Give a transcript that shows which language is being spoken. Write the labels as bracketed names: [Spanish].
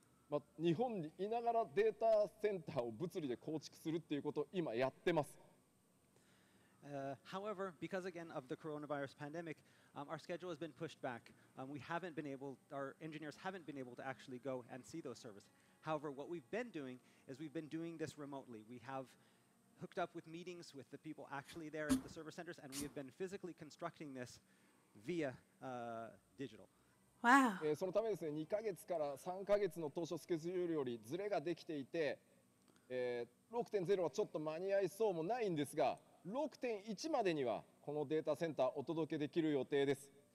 [Japanese] まあ、日本にいながらデータセンターを物理で構築するっていうことを今やってます。 [English] However, because again of the coronavirus pandemic, our schedule has been pushed back. Our engineers haven't been able to actually go and see those servers. However, what we've been doing is we've been doing this remotely. We have hooked up with meetings with the people actually there at the server centers, and we have been physically constructing this via digital. Wow. [Japanese] そのためですね、2ヶ月から3ヶ月の当初スケジュールよりズレができていて、6.0 はちょっと間に合いそうもないんですが、6.1 までにはこのデータセンターをお届けできる予定です。